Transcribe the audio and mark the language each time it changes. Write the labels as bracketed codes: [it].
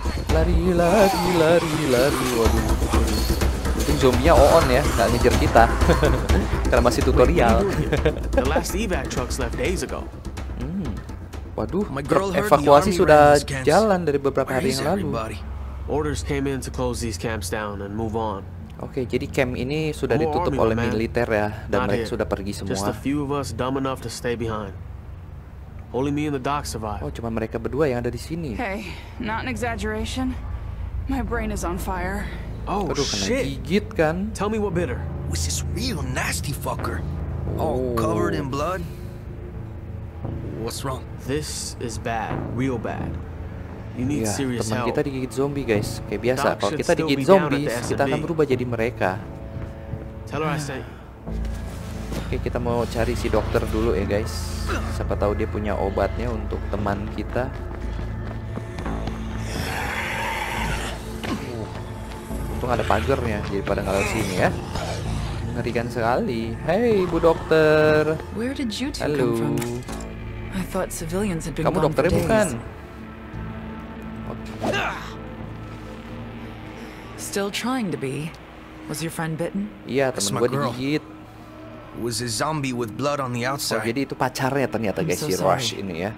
[id] Lari lari lari lari. Waduh. Zombie-nya on ya, nggak ngejar kita. Karena masih tutorial. [en] The last evac trucks left days ago. [id] Waduh, evakuasi sudah jalan dari beberapa hari yang lalu. [en] Orders came in to close these camps down and move on. [id] Oke, jadi camp ini sudah ditutup oleh militer ya, dan mereka sudah pergi semua. [en] Just a few of us dumb enough to stay behind. Only me and the doc survived. [id] Oh, cuma mereka berdua yang ada di sini. [en] Hey, not an exaggeration. My brain is on fire. [id] Oh, aduh, kena shit. Gigit kan? [en] Tell me what bit her. Was this real nasty fucker? All covered in blood. What's wrong? This is bad, real bad. You need yeah, serious help. [id] Teman kita digigit zombie, guys. Kayak biasa. Kalau kita digigit zombie, kita akan berubah jadi mereka. [en] Tell her I say. [id] Oke, kita mau cari si dokter dulu ya, guys. Siapa tahu dia punya obatnya untuk teman kita. Untung ada pagernya, jadi pada nggak lewat sini ya. Mengerikan sekali. Hey, Bu Dokter. [en] Where did you two Hello. Come from? I thought civilians had been [id] Kamu dokternya bukan? [en] Okay. Still trying to be. Was your friend bitten? [id] Iya, teman gue digigit. [en] was a zombie with blood on the outside. [id] Oh, jadi itu pacarnya ternyata, guys, si Rush ini ya.